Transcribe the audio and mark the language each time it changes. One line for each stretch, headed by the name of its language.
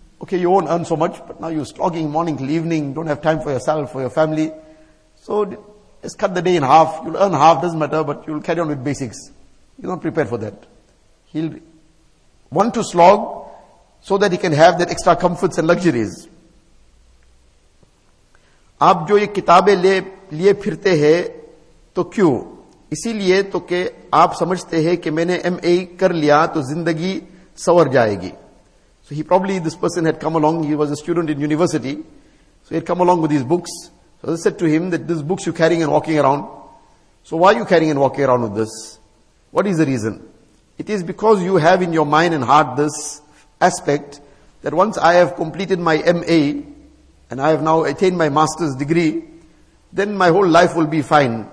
English: Okay, you won't earn so much, but now you're slogging morning till evening, don't have time for yourself, for your family. So just cut the day in half. You'll earn half, doesn't matter, but you'll carry on with basics. You're not prepared for that. He'll want to slog so that he can have that extra comforts and luxuries.
Urdu: آپ جو یہ کتابیں لیے پھرتے ہیں تو کیوں؟ اسی لیے تو کہ آپ سمجھتے ہیں کہ میں نے ایم اے کر لیا تو زندگی سور جائے گی.
English: So he probably, this person had come along, he was a student in university, so he had come along with these books. So they said to him that these books you're carrying and walking around, so why are you carrying and walking around with this? What is the reason? It is because you have in your mind and heart this aspect that once I have completed my MA, and I have now attained my master's degree, then my whole life will be fine.